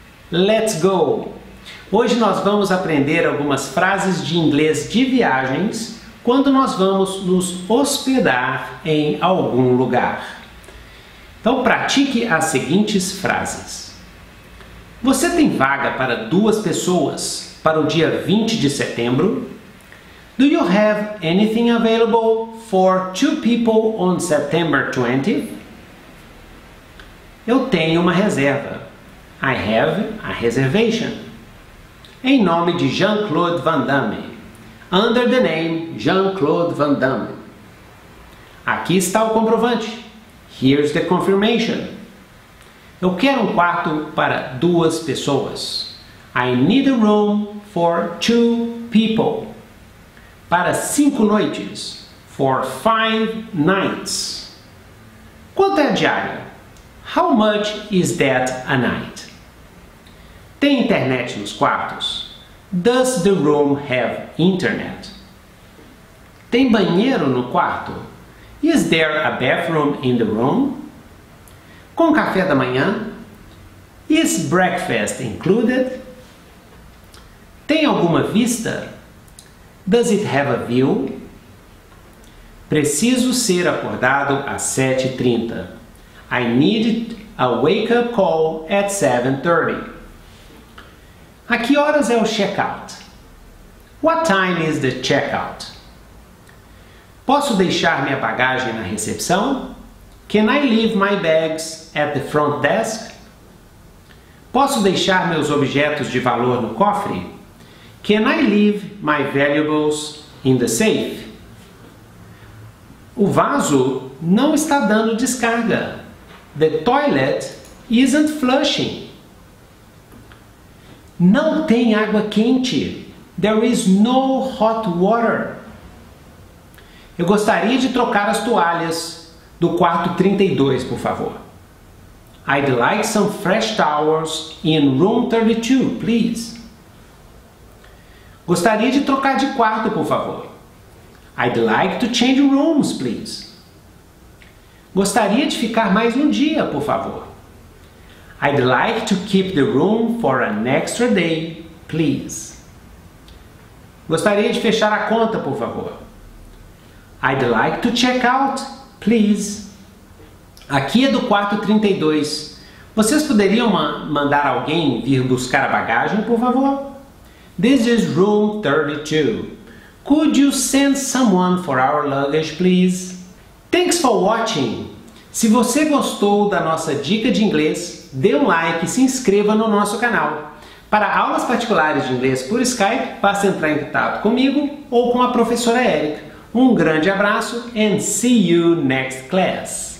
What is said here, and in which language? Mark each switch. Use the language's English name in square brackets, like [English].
[English] Let's go! [Portuguese] Hoje nós vamos aprender algumas frases de inglês de viagens quando nós vamos nos hospedar em algum lugar. Então pratique as seguintes frases. Você tem vaga para duas pessoas para o dia 20 de setembro? [English] Do you have anything available for two people on September 20th? [Portuguese] Eu tenho uma reserva. [English] I have a reservation. [Portuguese] Em nome de Jean-Claude Van Damme. [English] Under the name Jean-Claude Van Damme. [Portuguese] Aqui está o comprovante. [English] Here's the confirmation. [Portuguese] Eu quero um quarto para duas pessoas. [English] I need a room for two people. [Portuguese] Para cinco noites. [English] For five nights. [Portuguese] Quanto é a diária? [English] How much is that a night? [Portuguese] Tem internet nos quartos? [English] Does the room have internet? [Portuguese] Tem banheiro no quarto? [English] Is there a bathroom in the room? [Portuguese] Com café da manhã? [English] Is breakfast included? [Portuguese] Tem alguma vista? [English] Does it have a view? [Portuguese] Preciso ser acordado às 7:30. [English] I need a wake-up call at 7:30. [Portuguese] A que horas é o check-out? [English] What time is the check-out? [Portuguese] Posso deixar minha bagagem na recepção? [English] Can I leave my bags at the front desk? [Portuguese] Posso deixar meus objetos de valor no cofre? [English] Can I leave my valuables in the safe? [Portuguese] O vaso não está dando descarga. [English] The toilet isn't flushing. [Portuguese] Não tem água quente. [English] There is no hot water. [Portuguese] Eu gostaria de trocar as toalhas do quarto 32, por favor. [English] I'd like some fresh towels in room 32, please. [Portuguese] Gostaria de trocar de quarto, por favor. [English] I'd like to change rooms, please. [Portuguese] Gostaria de ficar mais um dia, por favor. [English] I'd like to keep the room for an extra day, please. [Portuguese] Gostaria de fechar a conta, por favor. [English] I'd like to check out, please. [Portuguese] Aqui é do quarto 32. Vocês poderiam mandar alguém vir buscar a bagagem, por favor? [English] This is room 32. Could you send someone for our luggage, please? Thanks for watching. [Portuguese] Se você gostou da nossa dica de inglês, dê um like e se inscreva no nosso canal. Para aulas particulares de inglês por Skype, basta entrar em contato comigo ou com a professora Erica. Um grande abraço [English] and see you next class!